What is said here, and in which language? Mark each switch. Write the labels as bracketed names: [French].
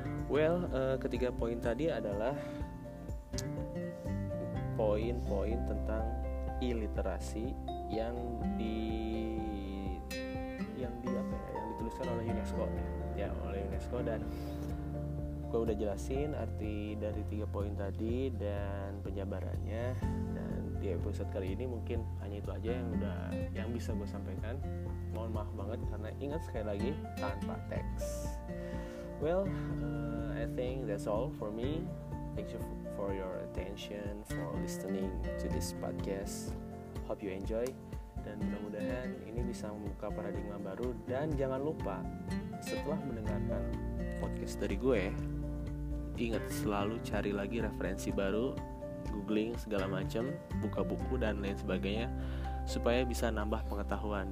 [Indonesian] Well, ketiga poin tadi adalah poin-poin tentang iliterasi yang dituliskan oleh UNESCO ya, oleh UNESCO. Dan gue udah jelasin arti dari tiga poin tadi dan penjabarannya, dan di episode kali ini mungkin hanya itu aja yang bisa gue sampaikan. Mohon maaf banget karena ingat sekali lagi tanpa teks. [English] Well, I think that's all for me. Thanks for your attention, for listening to this podcast. Hope you enjoy, [Indonesian] dan mudah-mudahan ini bisa membuka paradigma baru. Dan jangan lupa, setelah mendengarkan podcast dari gue, ingat selalu cari lagi referensi baru, googling segala macam, buka buku dan lain sebagainya, supaya bisa nambah pengetahuan.